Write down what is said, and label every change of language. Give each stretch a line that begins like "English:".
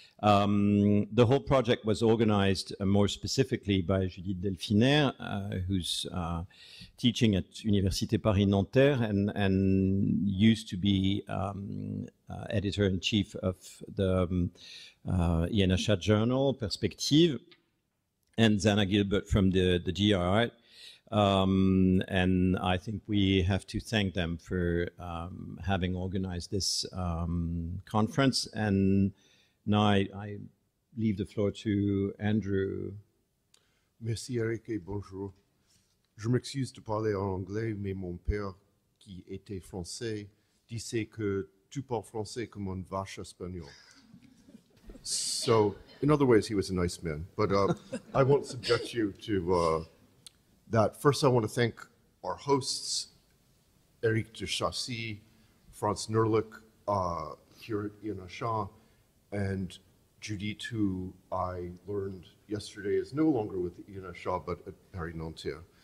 English: The whole project was organized more specifically by Judith Delfiner, who's teaching at Université Paris-Nanterre and used to be editor-in-chief of the INHA journal, Perspective, and Zana Gilbert from the GRI. And I think we have to thank them for having organized this conference. And now I leave the floor to Andrew.
French: Merci, Eric, et bonjour. Je m'excuse de parler en anglais, mais mon père, qui était français, disait que tu parles français comme une vache espagnole.
English: So, in other ways, he was a nice man, but I won't subject you to that. First, I want to thank our hosts, Eric de Chassy, Franz Nerlich, here at INHA, and Judith, who I learned yesterday is no longer with INHA, but at Paris-Nanterre.